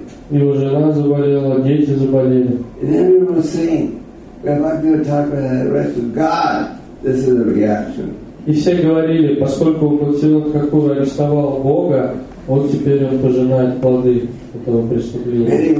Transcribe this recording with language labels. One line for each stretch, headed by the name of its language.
Russian: Его жена заболела, дети заболели.
English: And everyone was saying, "When Bhaktivinoda Thakur had arrested God, this is a reaction."
Russian: И все говорили, поскольку Бхактивинода Тхакура арестовал Бога, Вот теперь он пожинает плоды этого преступления.